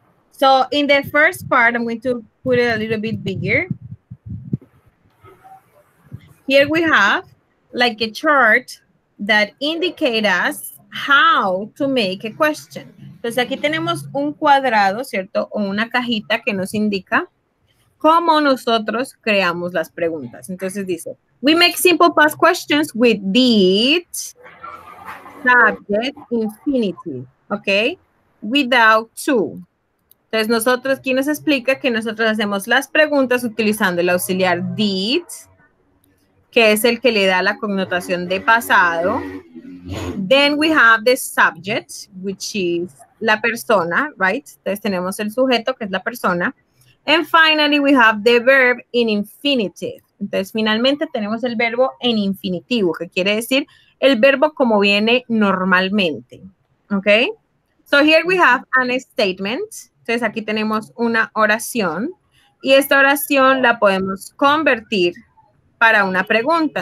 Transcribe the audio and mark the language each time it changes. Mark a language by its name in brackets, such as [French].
[English] So in the first part, I'm going to put it a little bit bigger. Here we have like a chart that indicate us how to make a question. [Spanish] Entonces aquí tenemos un cuadrado, ¿cierto? O una cajita que nos indica cómo nosotros creamos las preguntas. Entonces dice, [English] we make simple past questions with did, subject, infinitive, ¿ok? Without to. [Spanish] Entonces nosotros, ¿quién nos explica que nosotros hacemos las preguntas utilizando el auxiliar did, que es el que le da la connotación de pasado? [English] Then we have the subject, which is [Spanish] la persona, [English] right? [Spanish] Entonces tenemos el sujeto, que es la persona. [English] And finally, we have the verb in infinitive. [Spanish] Entonces, finalmente tenemos el verbo en infinitivo, que quiere decir el verbo como viene normalmente. Okay? [English] So here we have an statement. [Spanish] Entonces, aquí tenemos una oración. Y esta oración la podemos convertir para una pregunta.